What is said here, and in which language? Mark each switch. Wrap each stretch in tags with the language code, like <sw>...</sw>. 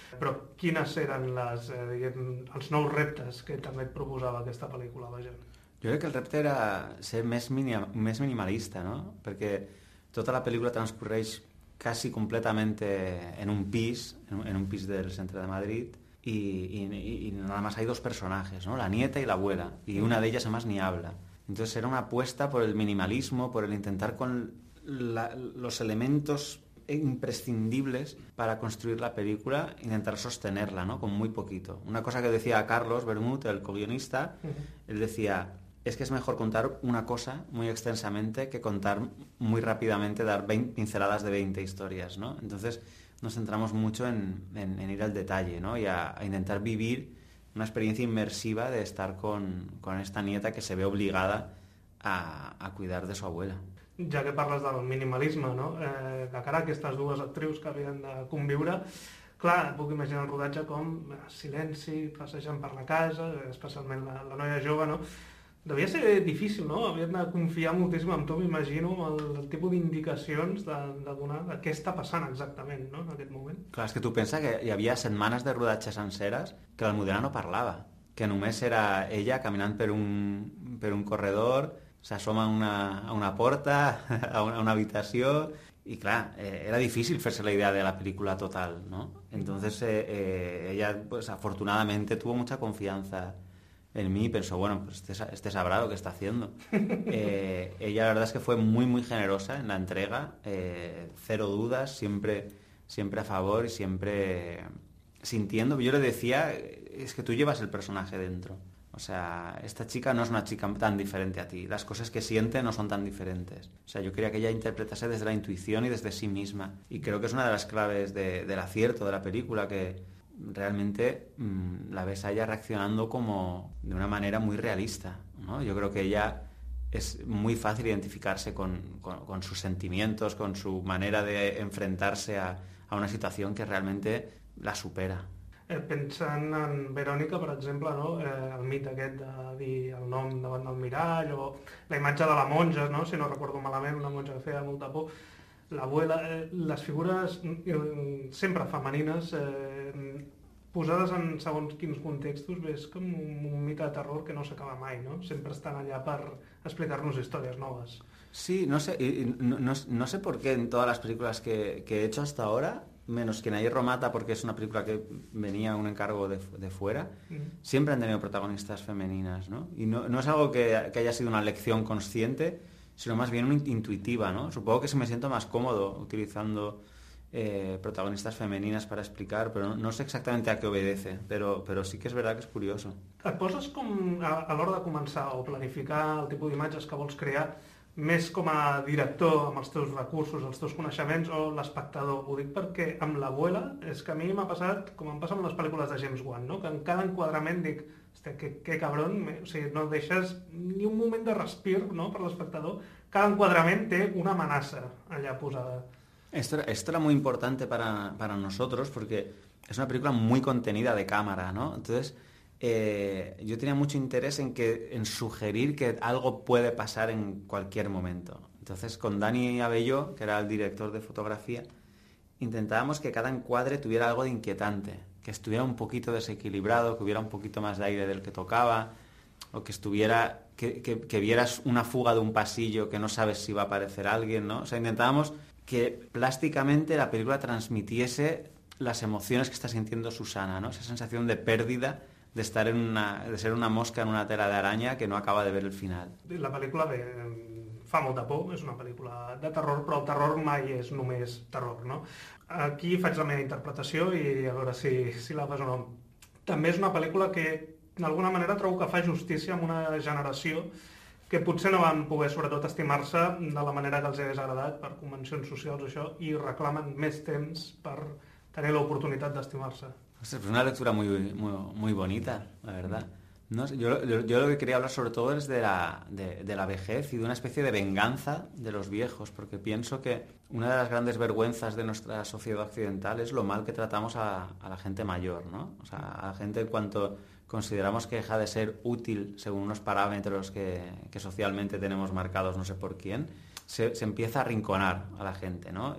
<ca>Però quines eren els nous reptes que també et proposava aquesta pel·lícula, vaja? Crec que el repte era ser més minimalista, no? Perquè tota la pel·lícula transcorreix quasi completament en un pis del centre de Madrid.</ca> <es>Y nada más hay dos personajes, ¿no? La nieta y la abuela, y una de ellas además ni habla. Entonces era una apuesta por el minimalismo, por el intentar con los elementos imprescindibles para construir la película, intentar sostenerla, ¿no? Con muy poquito. Una cosa que decía Carlos Bermúdez, el co-guionista, él decía, es que es mejor contar una cosa muy extensamente que contar muy rápidamente, dar 20 pinceladas de 20 historias, ¿no? Entonces nos centramos mucho en ir al detalle, ¿no? Y a intentar vivir una experiencia inmersiva de estar con esta nieta que se ve obligada a cuidar de su abuela.</es> <ca>Ja que parles del minimalisme, no? De cara a aquestes dues actrius que havien de conviure, clar, puc imaginar el rodatge com silenci, passejant per la casa, especialment la noia jove, no? Devia ser difícil, no? Havien de confiar moltíssim en tu, m'imagino, el tipus d'indicacions de donar de què està passant exactament, no? En aquest moment. Clar, és que tu pensa que hi havia setmanes de rodatge senceres que l'Almudena no parlava, que només era ella caminant per un corredor, s'assoma a una porta, a una habitació, i clar, era difícil fer-se la idea de la pel·lícula total, no?</ca> <es>Entonces ella, pues afortunadamente, tuvo mucha confianza en mí, pensó, bueno, pues este sabrá lo que está haciendo. Ella la verdad es que fue muy, muy generosa en la entrega, cero dudas, siempre a favor y siempre sintiendo. Yo le decía, es que tú llevas el personaje dentro. O sea, esta chica no es una chica tan diferente a ti. Las cosas que siente no son tan diferentes. O sea, yo quería que ella interpretase desde la intuición y desde sí misma. Y creo que es una de las claves del acierto de la película, que realmente la ves a ella reaccionando como de una manera muy realista, ¿no? Yo creo que ella es muy fácil identificarse con sus sentimientos, con su manera de enfrentarse a una situación que realmente la supera.</es> <ca>Pensant en Verònica, per exemple, no? El mite aquest de dir el nom davant del mirall, o la imatge de la monja, no? Si no recordo malament, una monja que feia molta por. L'abuela, les figures sempre femenines, posades en segons quins contextos, bé, és com un mite de terror que no s'acaba mai, no? Sempre estan allà per explicar-nos històries noves.</ca> <es>Sí, no sé, no sé por qué en todas las películas que he hecho hasta ahora, menos que en Hierro Mata, porque es una película que venía un encargo de fuera, siempre han tenido protagonistas femeninas, ¿no? Y no es algo que haya sido una lección consciente, sino más bien intuitiva, ¿no? Supongo que se me siento más cómodo utilizando protagonistas femeninas para explicar, pero no sé exactamente a qué obedece, pero sí que es verdad que es curioso.</es> <ca>Et poses com a l'hora de començar o planificar el tipus d'imatges que vols crear més com a director amb els teus recursos, els teus coneixements o l'espectador? Ho dic perquè amb l'abuela és que a mi m'ha passat com em passa amb les pel·lícules de James Wan, no? Que en cada enquadrament dic, hòstia, que cabron, o sigui, no deixes ni un moment de respir, no? Per l'espectador. Cada enquadrament té una amenaça allà posada.</ca> <es>Esto era muy importante para nosotros porque es una película muy contenida de cámara, ¿no? Entonces, yo tenía mucho interés en sugerir que algo puede pasar en cualquier momento. Entonces, con Dani Abelló, que era el director de fotografía, intentábamos que cada encuadre tuviera algo de inquietante, que estuviera un poquito desequilibrado, que hubiera un poquito más de aire del que tocaba, o que vieras una fuga de un pasillo que no sabes si va a aparecer alguien, ¿no? O sea, intentábamos que plásticamente la película transmitiese las emociones que está sintiendo Susana, ¿no? Esa sensación de pérdida, de ser una mosca en una tela de araña que no acaba de ver el final.</es> <ca>La pel·lícula fa molta por, és una pel·lícula de terror, però el terror mai és només terror, no? Aquí faig la meva interpretació i a veure si la fas o no. També és una pel·lícula que d'alguna manera trobo que fa justícia amb una generació que potser no van poder sobretot estimar-se de la manera que els hagués agradat per convencions socials això, i reclamen més temps per tenir l'oportunitat d'estimar-se. Ostres, però és</ca> <es>una lectura muy, muy, muy bonita, la verdad. No, yo lo que quería hablar sobre todo es de la vejez y de una especie de venganza de los viejos, porque pienso que una de las grandes vergüenzas de nuestra sociedad occidental es lo mal que tratamos a la gente mayor, ¿no? O sea, a la gente en cuanto consideramos que deja de ser útil según unos parámetros que socialmente tenemos marcados no sé por quién, se empieza a arrinconar a la gente, ¿no?</es>